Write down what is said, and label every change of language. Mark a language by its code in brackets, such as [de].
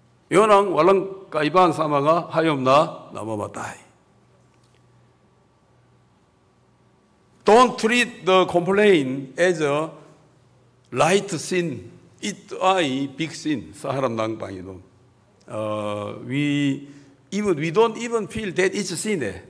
[tl] Yun ang walang kaibahan sa mga hayop na namamatay. [en] Don't treat the complaint as a light sin. It a big sin [tl] sa haram ng Panginoon. [en] We don't even feel that it's a sin.